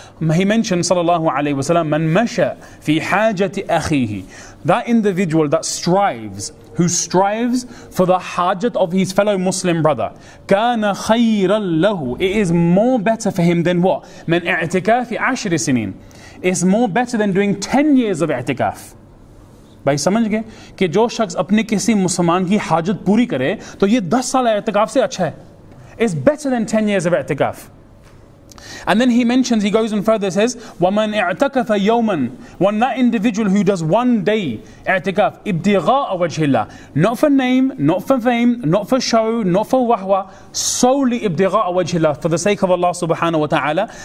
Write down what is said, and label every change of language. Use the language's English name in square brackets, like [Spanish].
[English] He mentioned sallallahu alayhi wa sallam, [Arabic] man masha fi hajati akhihi. [English] That individual that strives for the hajat of his fellow Muslim brother, [Arabic] kana khayran lahu. [English] It is more better for him than what? [Arabic] Man i'tika fi ashri sinin. [English] It's more better than doing 10 years of i'tikaf. [Urdu] بھائی سمجھ گئے کی جو شخص اپنے کسی مسلمان کی حاجت پوری کرے تو یہ 10 سال اعتکاف سے اچھا ہے. [English] It's better than 10 years of i'tikaf. And then he mentions, he goes on further, says, [Arabic] وَمَنْ اِعْتَكَفَ يَوْمًا. [English] When that individual who does one day i'tikaf, [Arabic] ابْتِغَاءَ وَجْهِ اللَّهِ. [English] Not for name, not for fame, not for show, not for wahwa, solely [Arabic] ابْتِغَاءَ وَجْهِ اللَّهِ, [English] for the sake of Allah subhanahu wa ta'ala.